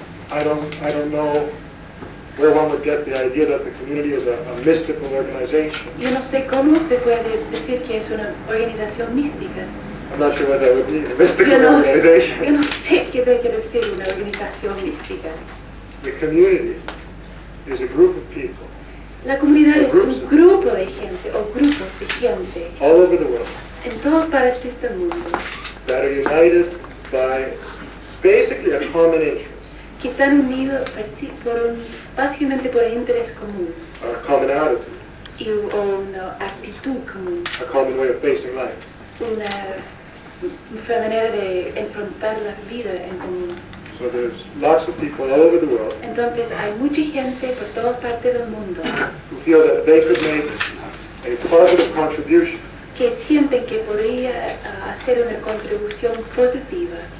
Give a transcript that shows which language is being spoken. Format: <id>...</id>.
<en>I don't know where one would get the idea that the community is a mystical organization.</en> <es>Yo no sé cómo se puede decir que es una organización mística.</es> <en>I'm not sure what that would mean, a mystical organization.</en> <es>Yo no sé qué debe decir una organización mística.</es> <en>The community is a group of people.</en> <es>La comunidad es un grupo de gente, o grupos de gente,</es> <en>all over the world,</en> <es>en todas partes del mundo,</es> <en>that are united by basically a common interest,</en> <es>que están unidos básicamente por un interés común,</es> <en>or a common attitude,</en> <es>y una actitud común,</es> <en>a common way of facing life,</en> <es>una manera de enfrentar la vida en común.</es> <en>So there's lots of people all over the world.</en> <es>Entonces hay mucha gente por todas partes del mundo.</es> <en>Who feel that they could make a positive contribution.</en> <es>Que sienten que podría hacer una contribución positiva.</es>